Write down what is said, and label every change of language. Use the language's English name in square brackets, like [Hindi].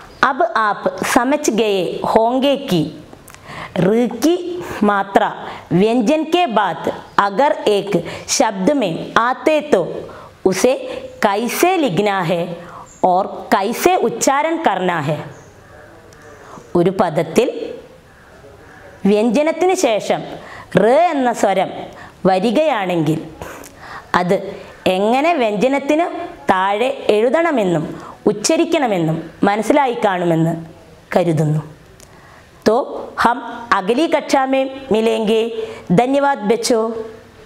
[Hindi] अब आप समझ गए होंगे कि र की मात्रा व्यंजन के बाद अगर एक शब्द में आते तो उसे कैसे लिखना है और कैसे उच्चारण करना है। [Malayalam] ഒരു പദത്തിൽ വ്യഞ്ജനത്തിന് ശേഷം ഋ എന്ന സ്വരം വരികയാണെങ്കിൽ അത് എങ്ങനെ വ്യഞ്ജനത്തിന് താഴെ എഴുതണമെന്നും ഉച്ചരിക്കണമെന്നും മനസ്സിലായി കാണുമെന്ന് കരുതുന്നു. [Hindi] तो हम अगली कक्षा में मिलेंगे। धन्यवाद बच्चों।